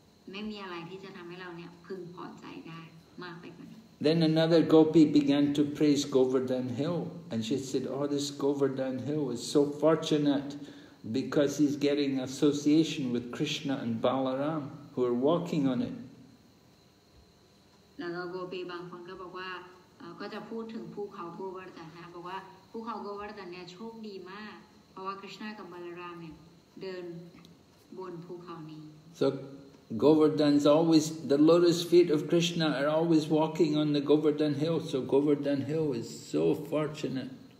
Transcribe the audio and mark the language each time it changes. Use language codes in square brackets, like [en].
[th] ไม่มีอะไรที่จะทำให้เราเนี่ยพึงพอใจได้มากไปกว่านี้ [en] Then another gopi began to praise Govardhan Hill, and she said, "Oh, this Govardhan Hill is so fortunate, because he's getting association with Krishna and Balaram, who are walking on it." And gopi, [th] บางคนก็บอกว่าก็จะพูดถึงภูเขาโกวาร์ดันนะบอกว่าภูเขาโกวาร์ดันเนี่ยโชคดีมากเพราะว่าคริชนากับบาลารามเนี่ยเดินบนภูเขานี้ [en] So. Govardhan's always the lotus feet of Krishna are always walking on the Govardhan Hill. So Govardhan Hill is so fortunate.